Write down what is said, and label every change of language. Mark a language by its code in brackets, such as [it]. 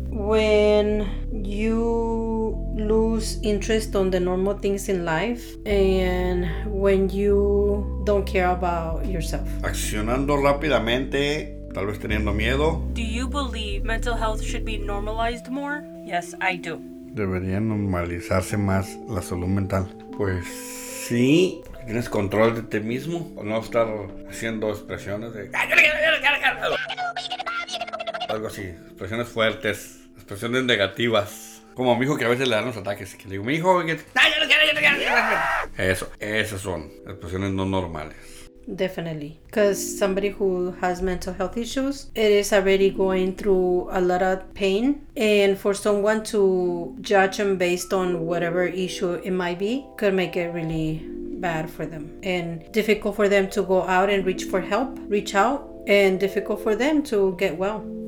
[en] When you lose interest on the normal things in life, and when you don't care about yourself. [es] Accionando rápidamente, tal vez teniendo miedo. [en] Do you believe mental health should be normalized more? Yes, I do. [es] Debería normalizarse más la salud mental. Pues sí, tienes control de ti mismo, no estar haciendo expresiones de algo así, expresiones fuertes, expresiones negativas. Como a mi hijo, que a veces le dan los ataques, que le digo, mi hijo, ¿qué? Eso, esas son expresiones no normales. [en] Definitely, because somebody who has mental health issues, it is already going through a lot of pain, and for someone to judge them based on whatever issue it might be could make it really bad for them and difficult for them to go out and reach for help, reach out, and difficult for them to get well.